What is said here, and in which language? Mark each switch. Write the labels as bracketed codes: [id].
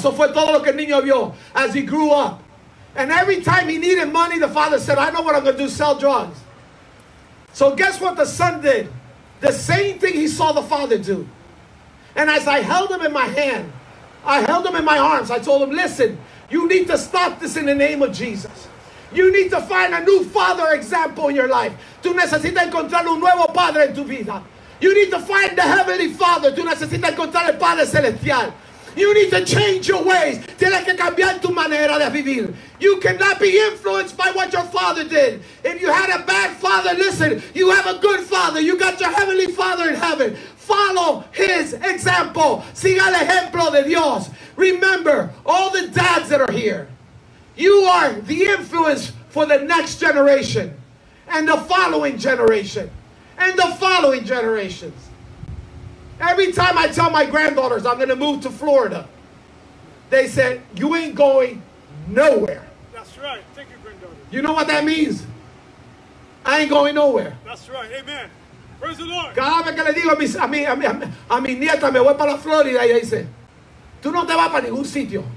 [es] Eso fue todo lo que el niño vio [en] as he grew up. And every time he needed money, the father said, I know what I'm going to do, sell drugs. So guess what the son did? The same thing he saw the father do. And as I held him in my hand, I held him in my arms. I told him, listen, you need to stop this in the name of Jesus. You need to find a new father example in your life. [es] Tú necesitas encontrar un nuevo padre en tu vida. [en] You need to find the heavenly father. [es] Tú necesitas encontrar el padre celestial. [en] You need to change your ways. [es] Tienes que cambiar tu manera de vivir. [en] You cannot be influenced by what your father did. If you had a bad father, listen, you have a good father. You got your heavenly father in heaven. Follow his example. [es] Siga el ejemplo de Dios. [en] Remember, all the dads that are here, you are the influence for the next generation and the following generation and the following generations. Every time I tell my granddaughters I'm going to move to Florida, they say, you ain't going nowhere. That's right. Take your granddaughter. You know what that means? I ain't going nowhere. That's That's right. Amen. Praise the Lord. [es] Cada vez que le digo a mi nieta, me voy para la Florida, ella dice, tú no te vas para ningún sitio.